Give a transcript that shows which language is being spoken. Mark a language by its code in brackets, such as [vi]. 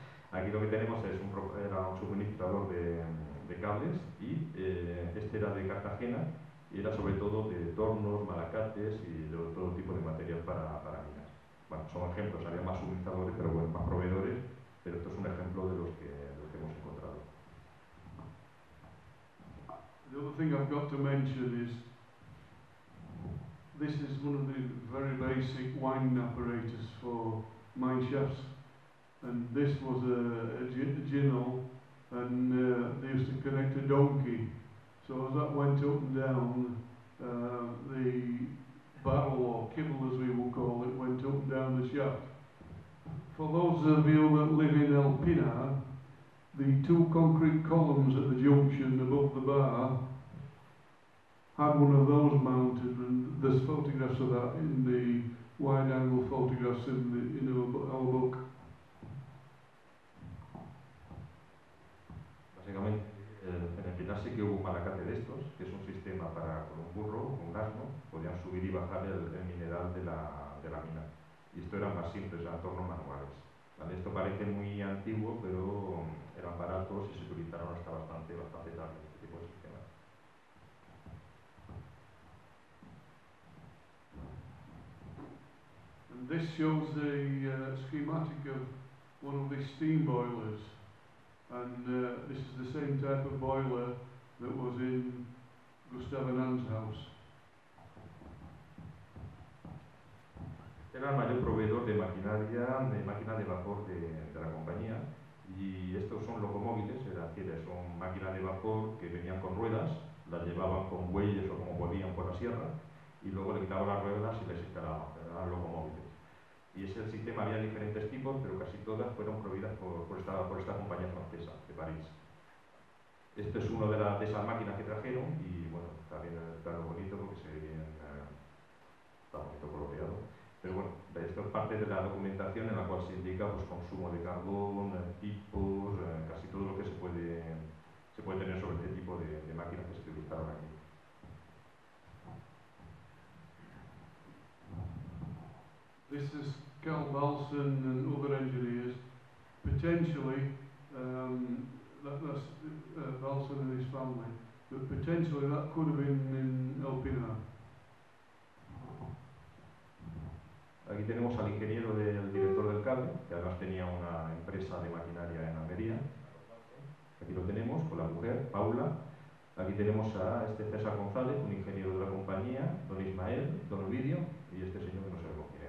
[es] Aquí lo que tenemos es era un suministrador de cables y este era de Cartagena y era sobre todo de tornos, malacates y de todo tipo de material para minas. Bueno, son ejemplos, había más suministradores, pero bueno, más proveedores, pero esto es un ejemplo de los que hemos encontrado. [en] The other thing I've got to mention is this is one of the very basic winding apparatus for mine shafts. And this was a ginnel, and they used to connect a donkey. So as that went up and down, the barrel or kibble, as we will call it, went up and down the shaft. For those of you that live in El Pinar, the two concrete columns at the junction above the bar had one of those mounted, and there's photographs of that in the wide-angle photographs in our book. [es] En el final sí que hubo un malacate de estos, que es un sistema para con un burro, con un asno, podían subir y bajar el mineral de la mina. Y esto eran más simples, eran tornos manuales. Vale, esto parece muy antiguo, pero eran baratos y se utilizaron hasta bastante tarde este tipo de sistema. [en] And this shows the schematic of one of the steam boilers. And this is the same type of boiler that was in Gustav Anand's house. [es] Era el mayor proveedor de maquinaria, de máquina de vapor de la compañía. Y estos son locomóviles, es decir, son máquinas de vapor que venían con ruedas, las llevaban con bueyes o como podían por la sierra, y luego le quitaban las ruedas y les instalaban, eran locomóviles. Y ese sistema había diferentes tipos, pero casi todas fueron prohibidas por esta compañía francesa de París. Esto es una de esas máquinas que trajeron y bueno, también está lo bonito porque se ve bien, está bonito coloreado. Pero bueno, esto es parte de la documentación en la cual se indica pues, consumo de carbón, tipos, casi todo lo que se puede tener sobre este tipo de máquinas que se utilizaron aquí. [en] This is Cal Balson and other engineers, potentially, that's Balson and his family, but potentially that could have been in El Pinar. [es] Aquí tenemos al ingeniero del director del cable, que además tenía una empresa de maquinaria en Almería. Aquí lo tenemos con la mujer, Paula. Aquí tenemos a este César González, un ingeniero de la compañía, don Ismael, don Ovidio y este señor que nos salvó.